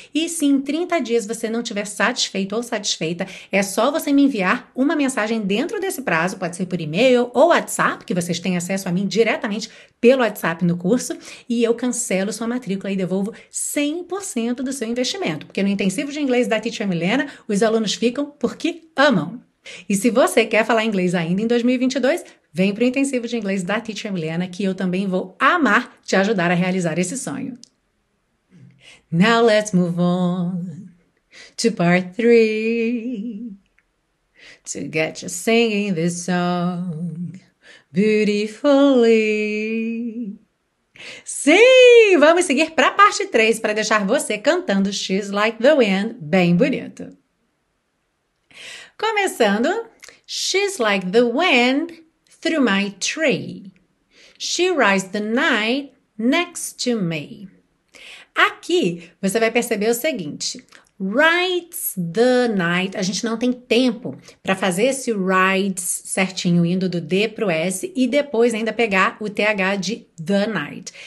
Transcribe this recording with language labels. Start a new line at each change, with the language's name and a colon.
Portuguese: E se em 30 dias você não tiver satisfeito ou satisfeita, é só você me enviar uma mensagem dentro desse prazo, pode ser por e-mail ou WhatsApp, que vocês têm acesso a mim diretamente pelo WhatsApp no curso, e eu cancelo sua matrícula e devolvo 100% do seu investimento. Porque no intensivo de inglês da Teacher Milena, os alunos ficam porque amam. E se você quer falar inglês ainda em 2022, vem para o intensivo de inglês da Teacher Milena, que eu também vou amar te ajudar a realizar esse sonho.
English: Now let's move on to part three, to get you singing this song beautifully.
Portuguese: Sim, vamos seguir para a parte 3 para deixar você cantando She's Like the Wind bem bonito.
English: Começando: She's like the wind through my tree. She rides the night next to me.
Portuguese: Aqui você vai perceber o seguinte:
English: Rides the night.
Portuguese: A gente não tem tempo para fazer esse rides certinho, indo do D pro S e depois ainda pegar o TH de the night.